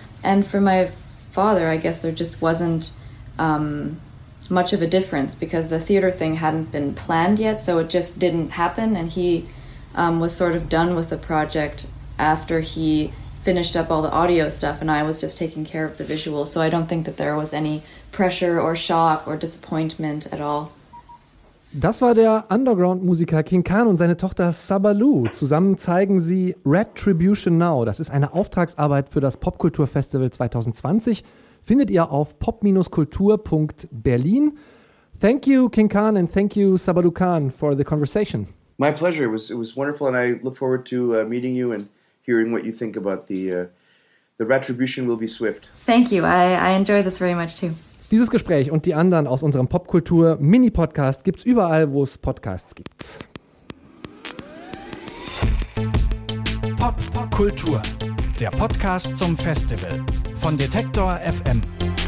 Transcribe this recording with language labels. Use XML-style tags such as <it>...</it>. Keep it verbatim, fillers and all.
<en>And for my father, I guess there just wasn't um, much of a difference, because the theater thing hadn't been planned yet, so it just didn't happen. And he um, was sort of done with the project after he finished up all the audio stuff, and I was just taking care of the visual. So I don't think that there was any pressure or shock or disappointment at all.</en> <de>Das war der Underground-Musiker King Khan und seine Tochter Sabalu. Zusammen zeigen sie Retribution Now. Das ist eine Auftragsarbeit für das Popkulturfestival zwanzig zwanzig. Findet ihr auf pop dash kultur dot berlin.</de> <en>Thank you, King Khan, and thank you, Sabalu Khan, for the conversation. My pleasure. It was it was wonderful, and I look forward to uh, meeting you and hearing what you think about the uh, the retribution will be swift. Thank you. I, I enjoyed this very much too.</en> <de>Dieses Gespräch und die anderen aus unserem Popkultur-Mini-Podcast gibt's überall, wo es Podcasts gibt. Popkultur, der Podcast zum Festival von Detektor F M.</de>